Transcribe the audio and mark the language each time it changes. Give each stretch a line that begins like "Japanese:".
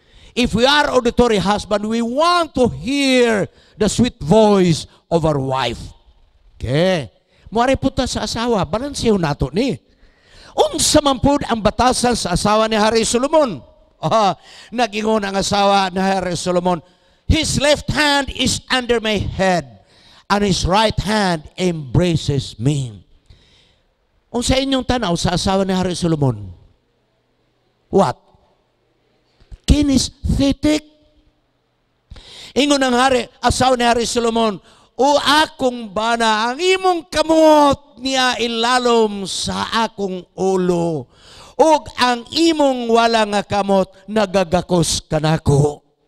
English: If we are auditory husband, we want to hear the sweet voice of our wife.
Cebuano: Okay. Muari po ta sa asawa, balansiyo nato ni. Unsa man po ang batasan sa asawa ni Hari Solomon. Nagingon ang asawa ni Hari Solomon,
English: his left hand is under my head and his right hand embraces me.
Cebuano: Unsa inyong tanaw sa asawa ni Hari Solomon?
English: What?
Cebuano: Kinesthetic? Ingon ng hari, asawa ni Hari Solomon, o akong bana ang imong kamot niya ilalom sa akong ulo, o ang imong wala nga kamot nagagakos kanako.